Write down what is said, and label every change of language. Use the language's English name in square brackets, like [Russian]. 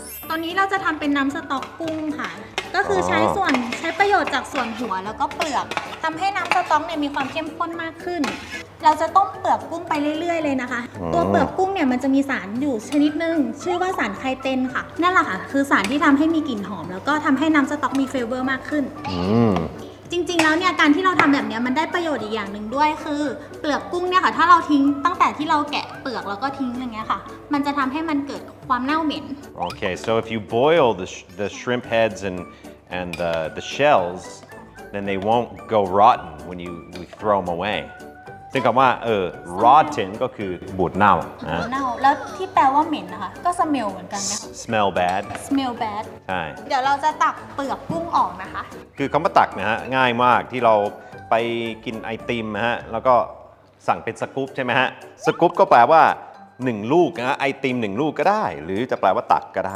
[Thai] ตอนนี้เราจะทำเป็นน้ำสต๊อกกุ้งค่ะก็คือใช้ประโยชน์จากส่วนหัวแล้วก็เปลือกทำให้น้ำสต๊อกเนี่ยมีความเข้มข้นมากขึ้นเราจะต้มเปลือกกุ้งไปเรื่อยๆเลยนะคะตัวเปลือกกุ้งเนี่ยมันจะมีสารอยู่ชนิดนึงชื่อว่าสารไคเทนค่ะนั่นแหละค่ะคือสารที่ทำให้มีกลิ่นหอมแล้วก็ทำให้น้ำสต๊อกมีเฟลเวอร์มากขึ้นจริงๆแล้วเนี่ยการที่เราทำแบบนี้มันได้ประโยชน์อีกอย่างนึงด้วยคือเปลือกกุ้งเนี่ยค่ะถ้าเราทิ้งตั้งแต่ที่เราแกะเปลือกแล้วก็ทิ้งอย่างเงี้ยค่ะมันจะทำให้มันเกิดความเน่าเหม็น [English] โอเค so if you boil the shrimp heads and and the shells, then they won't go rotten when you we throw them away. [Thai] ซึ่งคำว่า rotten ก็คือบูดเน่า บูดเน่าแล้วที่แปลว่าเหม็นนะคะก็ smell เหมือนกันนะ [English] smell bad smell bad [Thai] ใช่ เดี๋ ยวเราจะตักเปลือกกุ้งออกนะคะ คือคำว่าตักนะฮะง่ายมากที่เราไปกินไอติมนะฮะแล้วก็สั่งเป็นสกู๊ปใช่ไหมฮะสกู๊ปก็แปลว่า1ลูกนะไอติม1ลูกก็ได้หรือจะแปลว่าตักก็ได